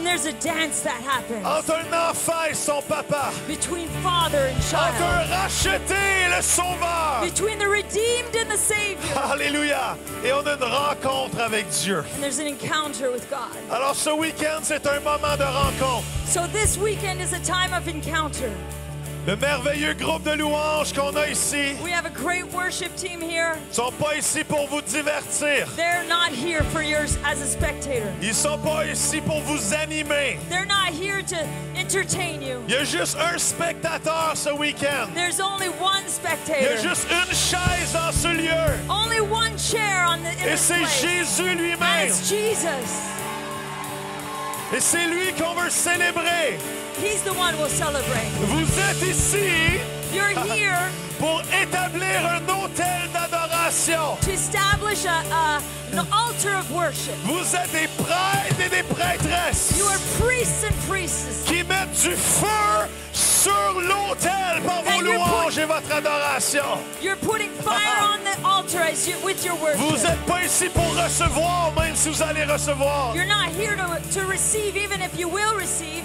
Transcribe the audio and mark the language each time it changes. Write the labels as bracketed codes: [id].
[en] and there's a dance that happens, [fr] entre un enfant et son papa, [en] between father and child, [fr] entre un racheté et le sauveur, [en] between the redeemed and the savior. [fr] Alléluia. Et on a une rencontre avec Dieu. [en] And there's an encounter with God. [fr] Alors ce week-end, c'est un moment de rencontre. [en] So this weekend is a time of encounter. [fr] Le merveilleux groupe de louanges qu'on a ici, [en] we have a great worship team here, [fr] sont pas ici pour vous divertir. [en] They're not here for you as a spectator. [fr] Ils sont pas ici pour vous animer. [en] They're not here to entertain you. [fr] Il y a juste un spectateur ce week-end. [en] There's only one spectator. [fr] Il y a juste une chaise dans ce lieu. [en] Only one chair on the, in [fr] et c'est [en] place. [fr] Jésus lui-même. [en] And it's Jesus. [fr] Et c'est lui qu'on veut célébrer. [en] He's the one we'll celebrate. [fr] Vous êtes ici. [en] You're here. [fr] Pour établir un autel d'adoration. [en] To establish an altar of worship. [fr] Vous êtes des prêtres et des prêtresses. [en] You are priests and priestesses. [fr] Qui mettent du feu sur l'autel par vos louanges et votre adoration. [en] You're putting fire on the altar as you, with your worship. [fr] Vous êtes pas ici pour recevoir, même si vous allez recevoir. [en] You're not here to receive, even if you will receive.